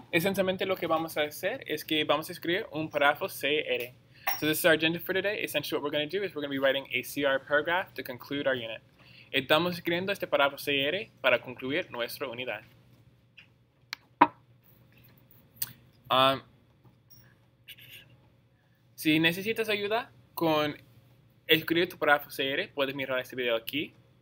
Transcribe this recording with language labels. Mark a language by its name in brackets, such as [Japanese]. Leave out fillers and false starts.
[Spanish] Esencialmente lo que vamos a hacer es que vamos a escribir un párrafo CR. [English] So this is our agenda for today. Essentially what we're going to do is we're going to be writing a CR paragraph to conclude our unit. [Spanish] Estamos escribiendo este párrafo CR para concluir nuestra unidad. Si necesitas ayuda con escribir tu párrafo CR, puedes mirar este video aquí.